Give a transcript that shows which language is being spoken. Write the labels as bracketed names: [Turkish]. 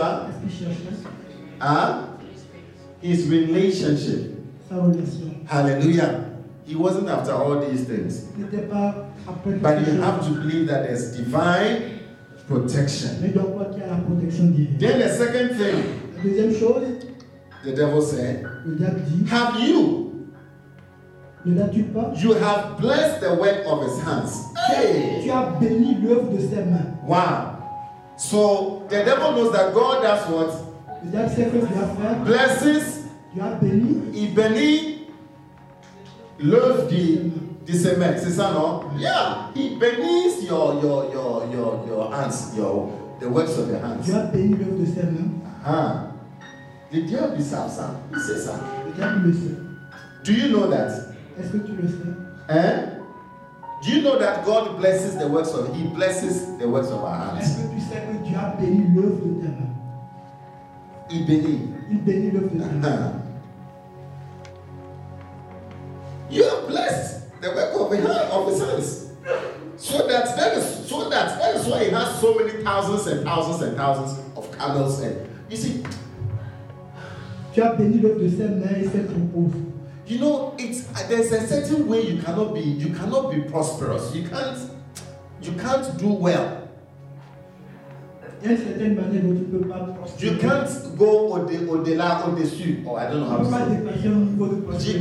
[French] Qu'est-ce qu'il cherchait? [English] His relationship. [French] Sa relation. [English] Hallelujah. He wasn't after all these things. [French] Il n'était pas après [English] But you have to believe that there's divine protection. [French] Mais donc quoi qu'il y a la protection divine. [English] Then the second thing. [French] La deuxième chose. [English] The devil said. [French] Le diable dit. [English] Have you? [French] Ne l'as-tu pas? [English] You have blessed the work of his hands. [French] Hey! Tu as béni l'œuvre de ses mains. [English] Wow. So the devil knows that God does what? [French] Le diable sait que Dieu a fait. [English] Blesses. [French] Tu as béni. Il bénit l'œuvre de ses mains. C'est ça, non? Yeah. Il bénit [English] your hands, the works of your hands. [French] Tu as béni l'œuvre de ses mains. Ah. Le diable sait ça. Il sait ça. Le diable le sait. [English] Do you know that? [French] Est-ce que tu le sais? Hein? [English] Do you know that God blesses the works of He blesses the works of our hands? [French] Est-ce que tu sais que Dieu a béni l'œuvre de tes mains? Il bénit. Il bénit l'œuvre de tes mains. [English] You have blessed the work of His hands. So that is why He has so many thousands and thousands and thousands of camels. And you see, [French] tu as béni l'œuvre de tes mains et ses troupeaux. [English] You know, there's a certain way you cannot be prosperous. You can't do well. You can't go au-dessus, or I don't know how to say.